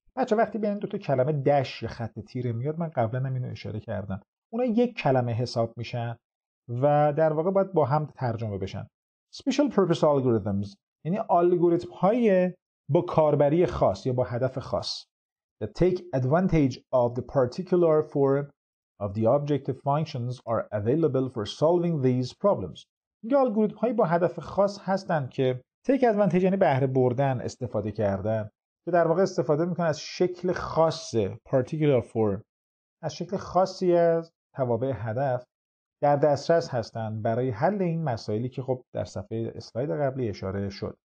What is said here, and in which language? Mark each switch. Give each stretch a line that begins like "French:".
Persian: بچه وقتی بین دو تا کلمه دش یا خط تیره میاد، من قبلا هم اینو اشاره کردم، اونا یک کلمه حساب میشن و در واقع باید با هم ترجمه بشن.
English: Special Purpose Algorithms
Persian: یعنی الگوریتم های با کاربری خاص یا با هدف خاص.
English: That take advantage of the particular form of the objective functions are available for solving these problems.
Persian: یعنی الگوریتم های با هدف خاص هستن که
English: take advantage
Persian: یعنی بهره بردن، استفاده کردن، که در واقع استفاده میکنه از شکل خاص
English: particular form،
Persian: از شکل خاصی از توابع هدف در دسترس هستند برای حل این مسائلی که خب در صفحه اسلاید قبلی اشاره شد.